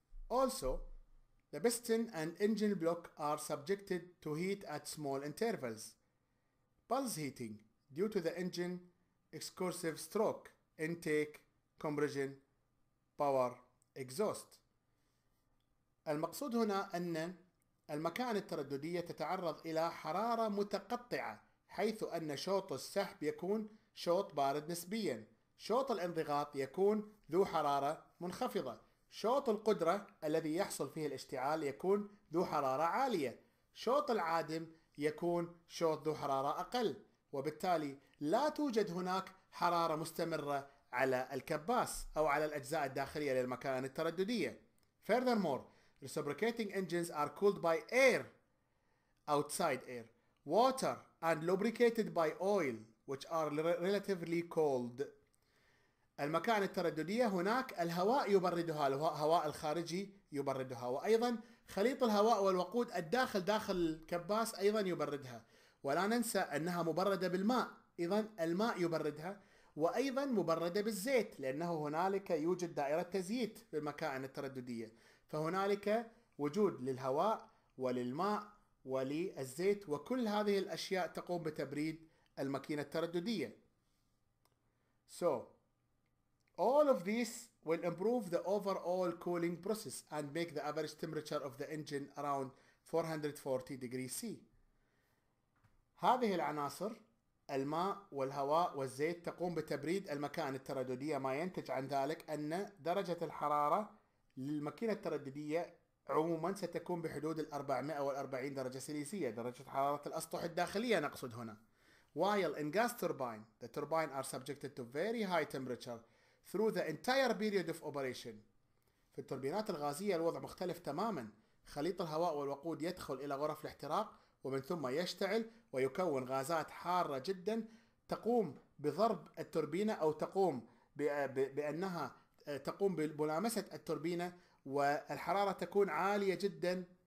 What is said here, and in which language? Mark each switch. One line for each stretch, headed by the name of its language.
English: Also the piston and engine block are subjected to heat at small intervals. Pulse heating due to the engine excursive stroke, intake, compression, power, exhaust.
Arabic: المقصود هنا أن المكائن الترددية تتعرض إلى حرارة متقطعة حيث أن شوط السحب يكون شوط بارد نسبيا شوط الانضغاط يكون ذو حرارة منخفضة شوط القدرة الذي يحصل فيه الاشتعال يكون ذو حرارة عالية شوط العادم يكون شوط ذو حرارة أقل وبالتالي لا توجد هناك حرارة مستمرة على الكباس أو على الأجزاء الداخلية للمكائن الترددية.
English: Furthermore, reciprocating engines are cooled by air, outside air, water and lubricated by oil, which are relatively cold.
Arabic: المكائن الترددية هناك الهواء يبردها الهواء الخارجي يبردها وأيضا خليط الهواء والوقود الداخل داخل الكباس أيضا يبردها ولا ننسى أنها مبردة بالماء أيضا الماء يبردها وأيضا مبردة بالزيت لأنه هنالك يوجد دائرة تزييت في المكائن الترددية فهنالك وجود للهواء وللماء وللزيت وكل هذه الأشياء تقوم بتبريد المكينة الترددية.
English: So all of these will improve the overall cooling process and make the average temperature of the engine around 440 degrees C.
Arabic: هذه العناصر الماء والهواء والزيت تقوم بتبريد المكائن الترددية ما ينتج عن ذلك أن درجة الحرارة للمكينة الترددية عموما ستكون بحدود 440 درجة سليسية درجة حرارة الأسطح الداخلية نقصد هنا.
English: While in gas turbine, the turbine are subjected to very high temperature through the entire period of operation.
Arabic: في التوربينات الغازية الوضع مختلف تماما خليط الهواء والوقود يدخل إلى غرف الاحتراق ومن ثم يشتعل ويكون غازات حارة جدا تقوم بضرب التوربينة أو تقوم بأنها تقوم بملامسة التوربينة والحرارة تكون عالية جدا